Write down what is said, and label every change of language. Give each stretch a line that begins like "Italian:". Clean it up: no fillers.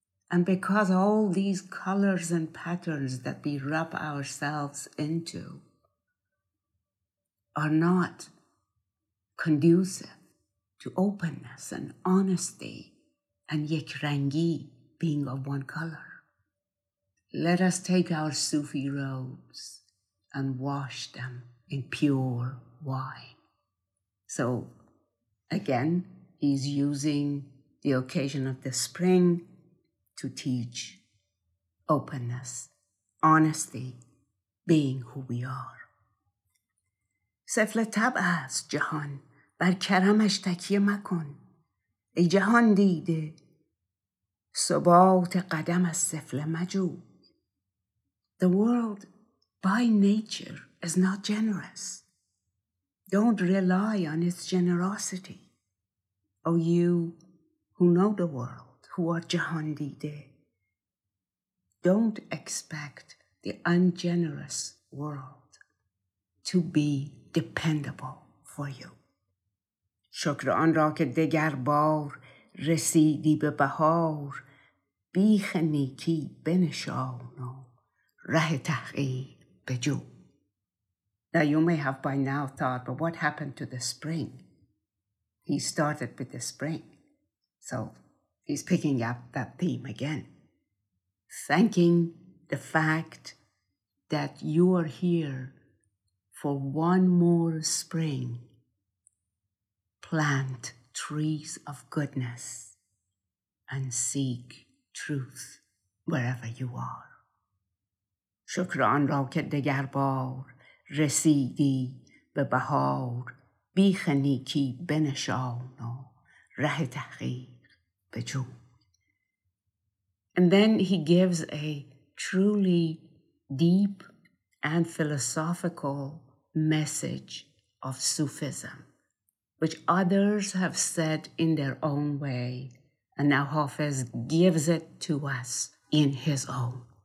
English: And because all these colors and patterns that we wrap ourselves into are not conducive to openness and honesty and yekrangi, being of one color, let us take our Sufi robes and wash them in pure wine. So, again, is using the occasion of the spring to teach openness, honesty, being who we are.
Persian: سفل طبع است جهان، بر کرمش تکیه مکن، ای جهان دیده، ثبات قدم از سفل مجو.
English: The world, by nature, is not generous. Don't rely on its generosity. O you who know the world, who are jahan dide, don't expect the ungenerous world to be dependable for you.
Persian: شکر آن را که دگر بار رسیدی به بهار، بیخ نیکی بنشان و ره تحقیق بجو.
English: Now you may have by now thought, but what happened to the spring? He started with the spring. So he's picking up that theme again. Thanking the fact that you are here for one more spring. Plant trees of goodness and seek truth wherever you are.
Persian: شکر آن را که دگر بار رسیدی به بهار، بیخ نیکی بنشان و ره تحقیق بجو.
English: And then he gives a truly deep and philosophical message of Sufism, which others have said in their own way, and now Hafiz gives it to us in his own.